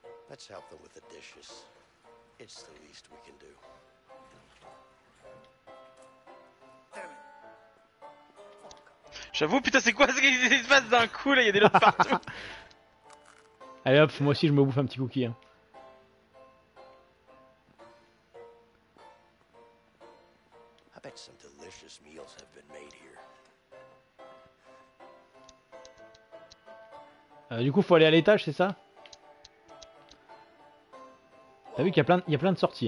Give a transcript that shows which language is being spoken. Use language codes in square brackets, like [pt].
[en] Let's help them with the dishes. It's the least we can do. [fr] J'avoue, putain, c'est quoi ce qui se passe d'un coup là? Y'a des lots partout. Allez hop, moi aussi je me bouffe un petit cookie. Hein. [en] I bet some delicious meals have been made here. [fr] Du coup, faut aller à l'étage, c'est ça? T'as vu qu'il y a plein de, sorties.